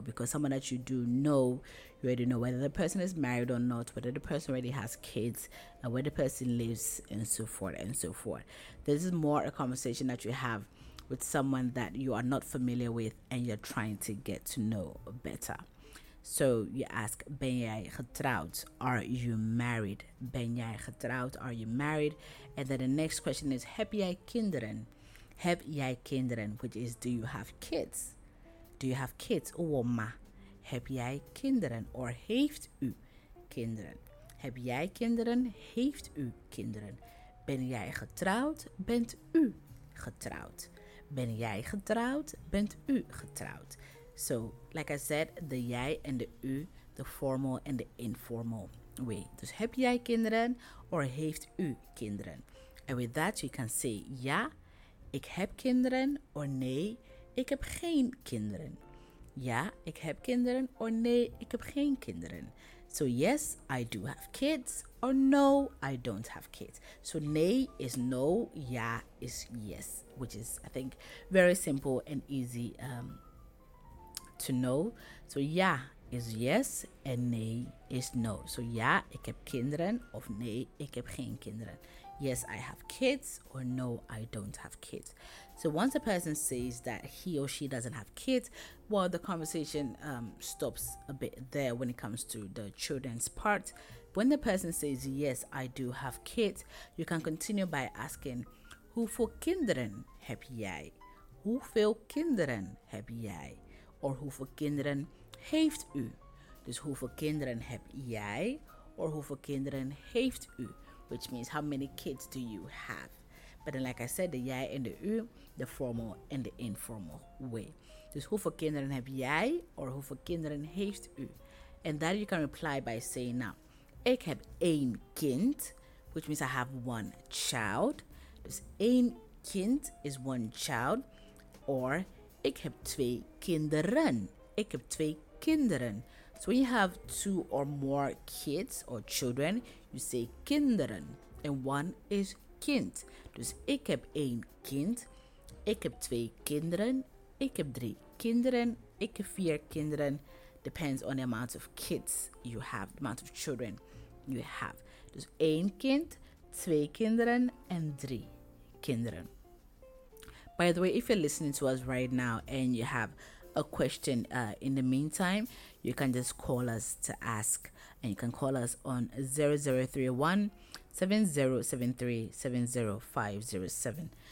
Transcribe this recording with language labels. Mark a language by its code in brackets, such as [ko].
[en] Because someone that you do know, you already know whether the person is married or not, whether the person already has kids, and where the person lives, and so forth and so forth. This is more a conversation that you have with someone that you are not familiar with and you're trying to get to know better. So you ask, [nl] ben jij getrouwd? [en] Are you married? [nl] Ben jij getrouwd? [en] Are you married? And then the next question is, [nl] heb jij kinderen? Heb jij kinderen? [en] Which is, do you have kids? Do you have kids? [nl] Oma, heb jij kinderen? Or heeft u kinderen? kinderen? Heb jij kinderen? Heeft u kinderen? Ben jij getrouwd? Bent u getrouwd? Ben jij getrouwd? Bent u getrouwd? [en] So, like I said, the jij en de u, the formal and the informal way. [nl] Dus heb jij kinderen or heeft u kinderen? [en] And with that, you can say [nl] ja, ik heb kinderen or nee, ik heb geen kinderen. Ja, ik heb kinderen or nee, ik heb geen kinderen. [en] So yes, I do have kids or no, I don't have kids. So nee is no, ja is yes, which is, I think, very simple and easy to know. So ja is yes and nee is no. [nl] So ja, ik heb kinderen of nee, ik heb geen kinderen. [en] Yes, I have kids or no, I don't have kids. So once a person says that he or she doesn't have kids, well, the conversation stops a bit there when it comes to the children's part. When the person says, yes, I do have kids, you can continue by asking, [nl] hoeveel kinderen heb jij? Hoeveel kinderen heb jij? Or hoeveel kinderen heeft u? Dus hoeveel kinderen heb jij? Or hoeveel kinderen heeft u? [en] Which means, how many kids do you have? But then, like I said, the jij and the u, the formal and the informal way. [nl] Dus hoeveel kinderen heb jij? Or hoeveel kinderen heeft u? [en] And that you can reply by saying, now, [nl] ik heb één kind, [en] which means I have one child. [nl] Dus één kind [en] is one child. [nl] Or ik heb twee kinderen. Ik heb twee kinderen. [en] So when you have two or more kids or children, you say kinderen. And one is kind. [nl] Dus ik heb één kind. Ik heb twee kinderen. Ik heb drie kinderen. Ik heb vier kinderen. [en] Depends on the amount of kids you have, the amount of children you have. [nl] Dus één kind, twee kinderen en drie kinderen. [en] By the way, if you're listening to us right now and you have a question in the meantime, you can just call us to ask, and you can call us on 0031 7073 70507.